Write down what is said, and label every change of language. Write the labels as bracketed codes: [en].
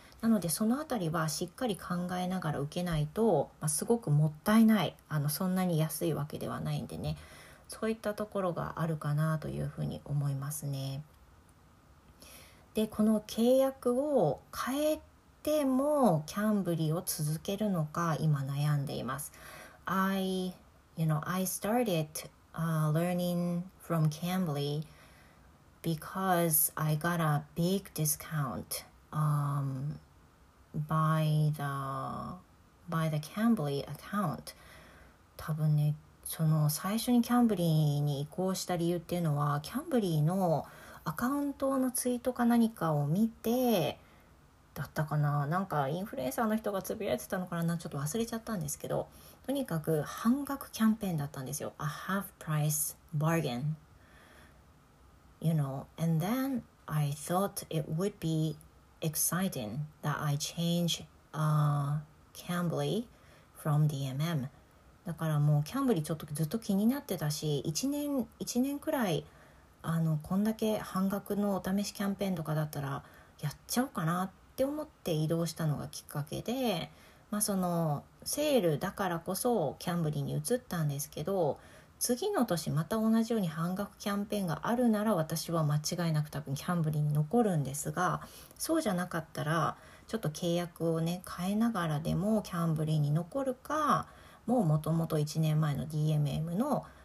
[ja] なので、そのあたりはしっかり考えながら受けないと、まあ、すごくもったいない。そんなに安いわけではないんでね。そういったところがあるかなという風に思いますね。で、この契約を変えてもキャンブリーを続けるのか今悩んでいます。 [en] I started learning from Cambly because I got a big discount by the Cambly account. [ja] 多分ね、その最初にキャンブリーに移行した理由っていうのは、キャンブリーのアカウントのツイートか何かを見てだったかな、なんかインフルエンサーの人がつぶやいてたのかな、ちょっと忘れちゃったんですけど、とにかく半額キャンペーンだったんですよ。 [en] A half price bargain, you know. And then I thought it would be exciting that I change Cambly from DMM. [ja] だからもうキャンブリーちょっとずっと気になってたし、1年くらいあのこんだけ半額のお試しキャンペーンとかだったらやっちゃおうかなって思って移動したのがきっかけで、まあそのセールだからこそキャンブリーに移ったんですけど、次の年また同じように半額キャンペーンがあるなら私は間違いなく多分キャンブリーに残るんですが、そうじゃなかったらちょっと契約をね変えながらでもキャンブリーに残るか、もうもともと1年前の DMM の